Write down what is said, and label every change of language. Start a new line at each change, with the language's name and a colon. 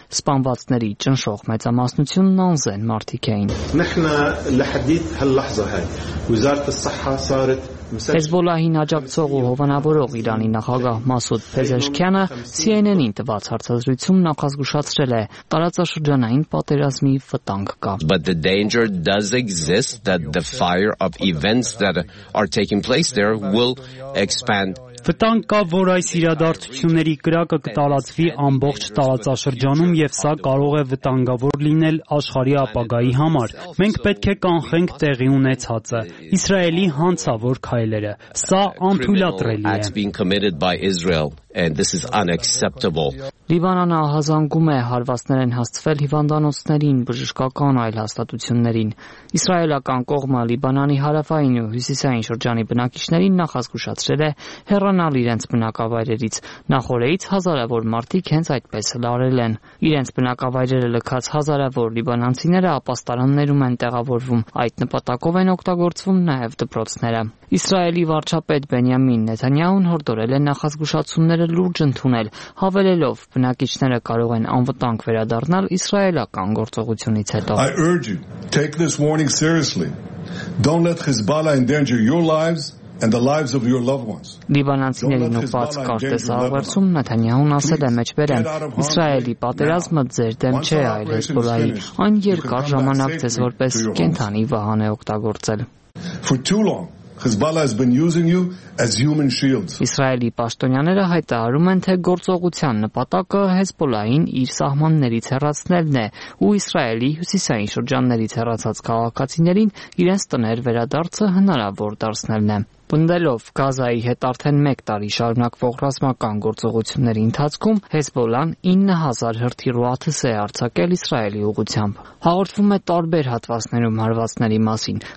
Armenian: սպանվածների ճնշող մեծամասնությունն անզեն մարդիկ էին։ Հեզբոլահին աջակցող ու հովանավորող Իրանի նախագահ Մասուդ Փեզեշկյանը CNN-ին տված հարցազրույցում նախազգուշացրել է, տարածաշրջանային պատերազմի վտանգ կա։
English: But the danger does exist that the fire of events that are taking place there will expand.
Armenian: Վտանգ կա, որ այս իրադարձությունների կրակը կտարածվի ամբողջ տարածաշրջանում եւ սա կարող է վտանգավոր լինել աշխարհի ապագայի համար։ Մենք պետք է կանխենք տեղի ունեցածը, Իսրայելի հանցավոր քայլերը։ Սա անթույլատրելի է։
English: And this is unacceptable.
Armenian: Լիբանանը ահազանգում է, հարվածներ են հասցվել հիվանդանոցներին, բժշկական այլ հաստատություններին։ Իսրայելական կողմը Լիբանանի հարավային ու հյուսիսային շրջանի բնակիչներին նախազգուշացրել է հեռանալ իրենց բնակավայրերից։ Նախորդից հազարավոր մարդիկ հենց այդպես լարել են։ Իրենց բնակավայրերը լքած հազարավոր լիբանանցիները ապաստարաններում են տեղավորվում։ Այդ նպատակով են օգտագործվում նաև դպրոցները։ Իսրայելի վարչապետ Բենյամին Նեթանյահուն հորդորել է նախազգուշացումները լուրջ ընդունել, հավելելով, բնակիչները կարող են անվտանգ վերադառնալ իսրայելական գործողությունից հետո։
English: I urge you, take this warning seriously. Don't let Hezbollah endanger your lives and the lives of your loved ones.
Armenian: Լիբանանցիների նոպած կարտեզ ավարտում Նեթանյահուն ասել է մեջբերեմ, Իսրայելի պատերազմը ձեր դեմ չէ, այլ Հեզբոլահի, այն երկար ժամանակ ձեզ որպես կենդանի վահան է օգտագործել։
English: For too long Hezbollah has been using you as human shields.
Armenian: Իսրայելի պաշտոնյաները հայտարարում են, թե գործողության նպատակը Հեզբոլային իր սահմաններից հեռացնելն է, ու Իսրայելի հյուսիսային շրջաններից հեռացած քաղաքացիներին իրենց տներ վերադարձը հնարավոր դարձնելն է։ Պնդելով Գազայի հետ արդեն 1 տարի շարունակվող ռազմական գործողությունների ընթացքում Հեզբոլան 9000 հրթիռու աթս է արձակել Իսրայելի ուղությամբ։ Հաղորդվում է տարբեր հատվածներում հարվածների մասին,